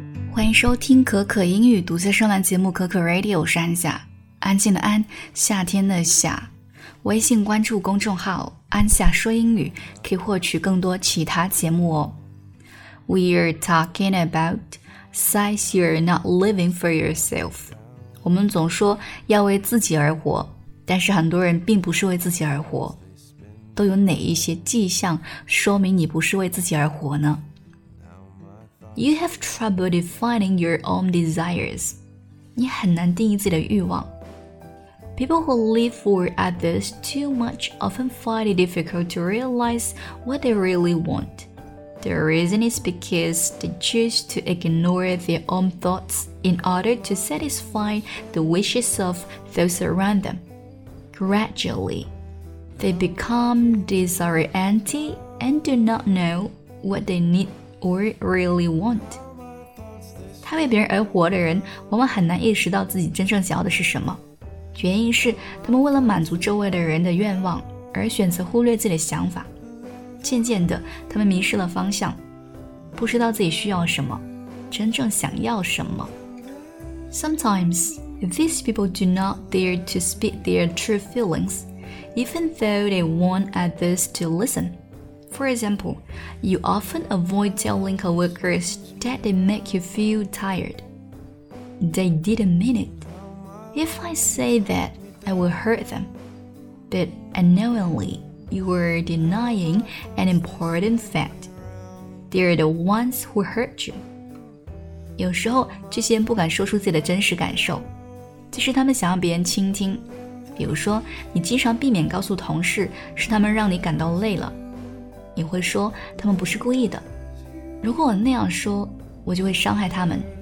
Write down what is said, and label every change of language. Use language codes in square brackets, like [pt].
[zh] 欢迎收听可可英语独自上栏节目可可 Radio， 我是安夏，安静的安，夏天的夏。微信关注公众号安夏说英语，可以获取更多其他节目哦。 [en] We're talking about since you're not living for yourself. [zh] 我们总说要为自己而活，但是很多人并不是为自己而活。都有哪一些迹象说明你不是为自己而活呢？ [en] You have trouble defining your own desires. [zh] 你很难定义自己的欲望。 [en] People who live for others too much often find it difficult to realize what they really want. The reason is because they choose to ignore their own thoughts in order to satisfy the wishes of those around them. Gradually, they become disoriented and do not know what they needOr really want. [zh] 他为别人而活的人往往很难意识到自己真正想要的是什么。原因是他们为了满足周围的人的愿望而选择忽略自己的想法。渐渐的，他们迷失了方向，不知道自己需要什么，真正想要什么。 [en] Sometimes, these people do not dare to speak their true feelings, even though they want others to listen. For example, you often avoid telling coworkers that they make you feel tired. They didn't mean it. If I say that, I will hurt them. But unknowingly, you are denying an important fact. They are the ones who hurt you. [zh] 有时候，这些人不敢说出自己的真实感受，这是他们想要别人倾听。比如说，你经常避免告诉同事，是他们让你感到累了。你会说他们不是故意的，如果我那样说，我就会伤害他们。